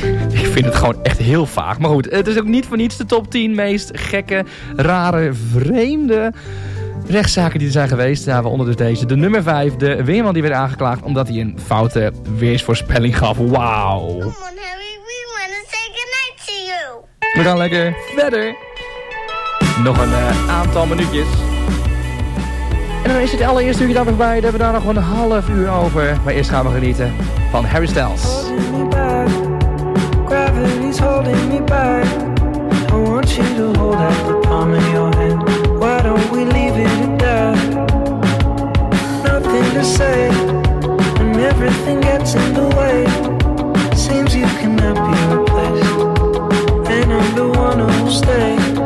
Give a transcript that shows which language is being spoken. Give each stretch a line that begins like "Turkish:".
Dutch: Ik vind het gewoon echt heel vaag. Maar goed, het is ook niet voor niets de top 10 meest gekke, rare, vreemde rechtszaken die er zijn geweest. Daar hebben we onder dus deze. De nummer 5, de weerman die werd aangeklaagd omdat hij een foute weersvoorspelling gaf. Wauw.
English: Come on, Harry, we want to say goodnight to you.
Dutch: We gaan lekker verder. Nog een aantal minuutjes. En dan is het allereerste uurtje daar nog bij. Daar hebben we daar nog een half uur over. Maar eerst gaan we genieten van Harry Styles.
English: Gravity's holding me back. I want you to hold out the palm of your hand. Why don't we leave it at that? Nothing to say, and everything gets in the way. Seems you cannot be replaced, and I'm the one who'll stay.